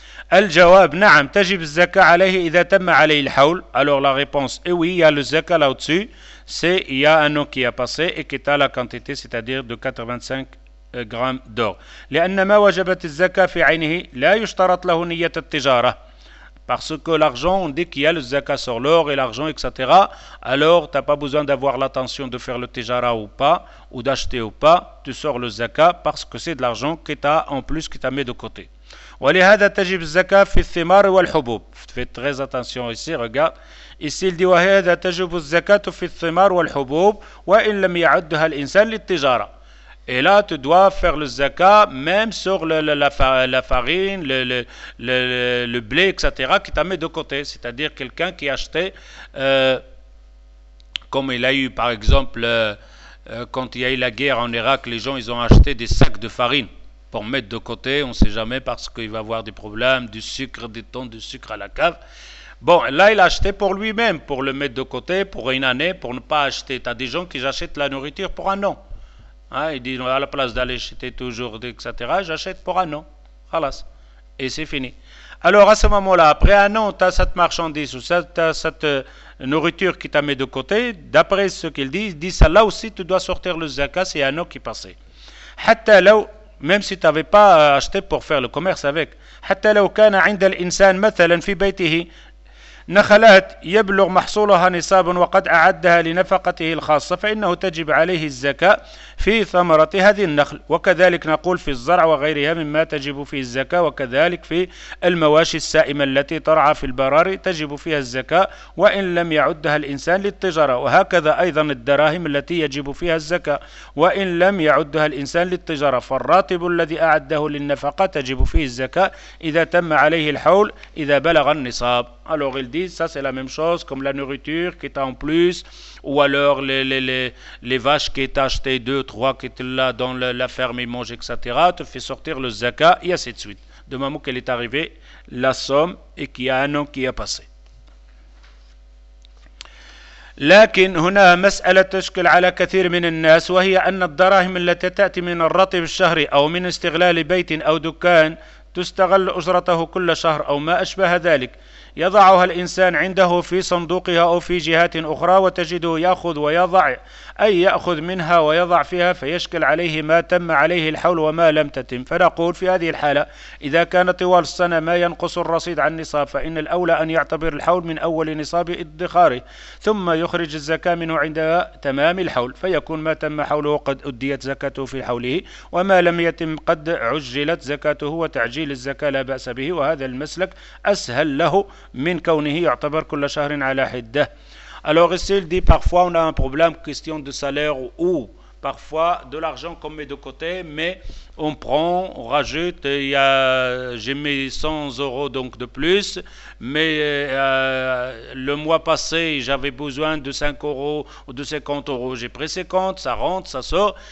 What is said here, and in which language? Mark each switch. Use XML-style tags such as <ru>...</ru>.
<ar>Al-jawab, na'am, tajib zaka alayhi idha tamma alayhi l'hawl.</ar> <fr>Alors la réponse est oui, il y a le zaka là-dessus, c'est il y a un an qui a passé et qui est à la quantité, c'est-à-dire de 85 grammes d'or.</fr> <ar>لأن ما وجبت الزكاة في عينه لا يشترط له نية التجارة.</ar> <fr>Parce que l'argent, on dit qu'il y a le zakat sur l'or et l'argent, etc. Alors, tu n'as pas besoin d'avoir l'intention de faire le tijara ou pas, ou d'acheter ou pas. Tu sors le zakat parce que c'est de l'argent que tu as en plus, que tu as mis de côté.</fr> <ar>ولهذا تجب الزكاة في الثمار والحبوب. في</ar> <fr>très attention ici, regarde. Ici, il dit,</fr> <ar>وهذا تجب الزكاة في الثمار والحبوب وإن لم يعدها الإنسان للتجارة.</ar> <fr>Et là, tu dois faire le zaka même sur la farine, le blé, etc., qui t'a mis de côté. C'est-à-dire quelqu'un qui a acheté, comme il a eu par exemple, quand il y a eu la guerre en Irak, les gens ils ont acheté des sacs de farine pour mettre de côté, on ne sait jamais, parce qu'il va avoir des problèmes, du sucre, des tonnes de sucre à la cave. Bon, là, il a acheté pour lui-même, pour le mettre de côté, pour une année, pour ne pas acheter. Tu as des gens qui achètent la nourriture pour un an. Hein, il dit, à la place d'aller acheter toujours, etc., j'achète pour un an. Khalas. Et c'est fini. Alors, à ce moment-là, après un an, tu as cette marchandise ou cette nourriture qui t'a mis de côté. D'après ce qu'il dit, il dit, ça, là aussi, tu dois sortir le zakat, c'est un an qui passait.</fr> <ar>Hatta</ar> <fr>là où, même si tu n'avais pas acheté pour faire le commerce avec.</fr> <ar>Hatta</ar> <fr>là où</fr> <ar>kana inda l'insan, mathalan, fi baytihi, نخلات يبلغ محصولها نصابا وقد أعدها لنفقته الخاصة فإنه تجب عليه الزكاة في ثمرة هذه النخل وكذلك نقول في الزرع وغيرها مما تجب فيه الزكاة وكذلك في المواشي السائمة التي ترعى في البراري تجب فيها الزكاة وإن لم يعدها الإنسان للتجارة وهكذا أيضا الدراهم التي يجب فيها الزكاة وإن لم يعدها الإنسان للتجارة فالراتب الذي أعده للنفقة تجب فيه الزكاة إذا تم عليه الحول إذا بلغ النصاب.</ar> <fr>Alors ils disent, ça c'est la même chose comme la nourriture qui est en plus, ou alors les vaches qui est achetées, deux, trois qui étaient là dans la ferme, ils mangent, etc. Tu fais sortir le zaka, et ainsi de suite. De même qu'elle est arrivée, la somme, et qu'il y a un an qui a passé.</fr> <ar>لكن هنا مسألة تشكل على كثير من الناس وهي أن الدراهم التي تأتي من الرطب الشهري أو من استغلال بيت أو دكان تستغل أجرته كل شهر أو ما أشبه ذلك يضعها الإنسان عنده في صندوقها أو في جهات أخرى وتجده يأخذ ويضع أي يأخذ منها ويضع فيها فيشكل عليه ما تم عليه الحول وما لم تتم فنقول في هذه الحالة إذا كان طوال السنة ما ينقص الرصيد عن النصاب فإن الأولى أن يعتبر الحول من أول نصاب ادخاره ثم يخرج الزكاة منه عند تمام الحول فيكون ما تم حوله قد أديت زكاته في حوله وما لم يتم قد عجلت زكاته وتعجيل الزكاة لا بأس به وهذا المسلك أسهل له من كونه يعتبر كل شهر على حدة.</ar> <fr>Alors ici, il dit, parfois on a un problème, question de salaire ou parfois de l'argent qu'on met de côté, mais on prend, on rajoute, j'ai mis 100 € donc de plus, mais le mois passé, j'avais besoin de 5 € ou de 50 €, j'ai pris 50, ça rentre, ça sort.</fr>